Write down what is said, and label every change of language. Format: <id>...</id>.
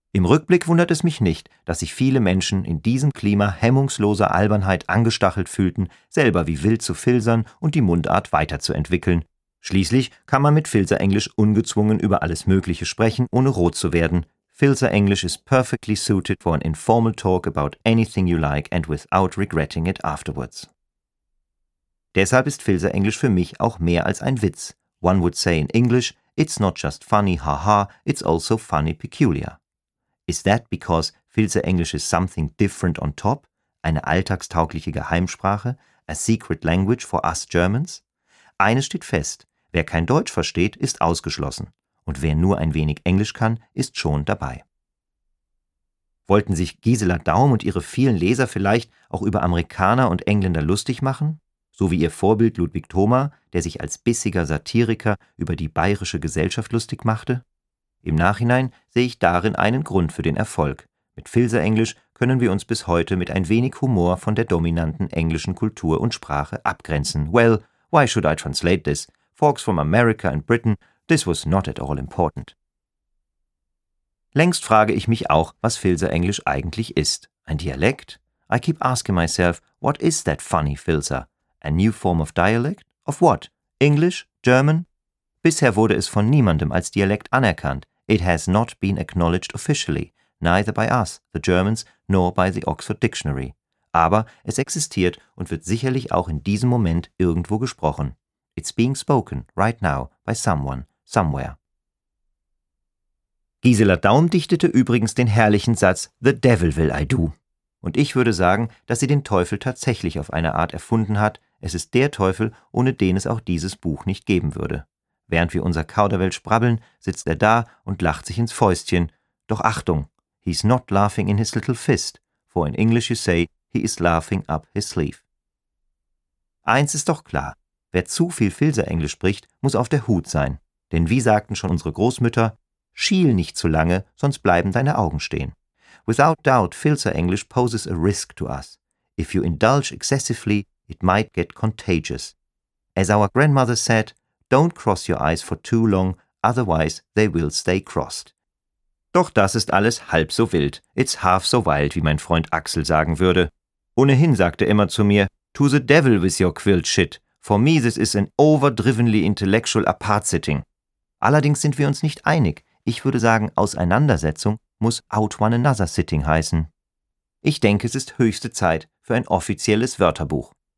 <de>Im Rückblick wundert es mich nicht, dass sich viele Menschen in diesem Klima hemmungsloser Albernheit angestachelt fühlten, selber wie wild zu filsern und die Mundart weiterzuentwickeln. Schließlich kann man mit Filzerenglisch ungezwungen über alles Mögliche sprechen, ohne rot zu werden.</de> <en>Filzerenglisch is perfectly suited for an informal talk about anything you like and without regretting it afterwards.</en> <de>Deshalb ist Filzerenglisch für mich auch mehr als ein Witz.</de> <en>One would say in English, it's not just funny, haha, it's also funny peculiar. Is that because Filzerenglisch is something different on top?</en> <de>Eine alltagstaugliche Geheimsprache?</de> <en>A secret language for us Germans?</en> <de>Eines steht fest, wer kein Deutsch versteht, ist ausgeschlossen. Und wer nur ein wenig Englisch kann, ist schon dabei. Wollten sich Gisela Daum und ihre vielen Leser vielleicht auch über Amerikaner und Engländer lustig machen? So wie ihr Vorbild Ludwig Thoma, der sich als bissiger Satiriker über die bayerische Gesellschaft lustig machte? Im Nachhinein sehe ich darin einen Grund für den Erfolg. Mit Filzerenglisch können wir uns bis heute mit ein wenig Humor von der dominanten englischen Kultur und Sprache abgrenzen.</de> <en>Well, why should I translate this? Folks from America and Britain, this was not at all important.</en> <de>Längst frage ich mich auch, was Filzerenglisch eigentlich ist. Ein Dialekt?</de> <en>I keep asking myself, what is that funny Filzer? A new form of dialect? Of what? English? German?</en> <de>Bisher wurde es von niemandem als Dialekt anerkannt.</de> <en>It has not been acknowledged officially, neither by us, the Germans, nor by the Oxford Dictionary.</en> <de>Aber es existiert und wird sicherlich auch in diesem Moment irgendwo gesprochen.</de> <en>It's being spoken, right now, by someone, somewhere.</en> <de>Gisela Daum dichtete übrigens den herrlichen Satz,</de> <en>the devil will I do.</en> <de>Und ich würde sagen, dass sie den Teufel tatsächlich auf eine Art erfunden hat. Es ist der Teufel, ohne den es auch dieses Buch nicht geben würde. Während wir unser Kauderwelsch brabbeln, sitzt er da und lacht sich ins Fäustchen. Doch Achtung,</de> <en>he's not laughing in his little fist, for in English you say, he is laughing up his sleeve.</en> <de>Eins ist doch klar, wer zu viel Filzerenglisch spricht, muss auf der Hut sein. Denn wie sagten schon unsere Großmütter, schiel nicht zu lange, sonst bleiben deine Augen stehen.</de> <en>Without doubt, Filzerenglisch poses a risk to us. If you indulge excessively, it might get contagious. As our grandmother said, don't cross your eyes for too long, otherwise they will stay crossed.</en> <de>Doch das ist alles halb so wild.</de> <en>It's half so wild,</en> <de>wie mein Freund Axel sagen würde. Ohnehin sagte er immer zu mir,</de> <en>to the devil with your quilt shit. For me this is an overdrivenly intellectual apart-sitting.</en> <de>Allerdings sind wir uns nicht einig. Ich würde sagen, Auseinandersetzung muss</de> <en>out one another sitting</en> <de>heißen. Ich denke, es ist höchste Zeit für ein offizielles Wörterbuch.</de>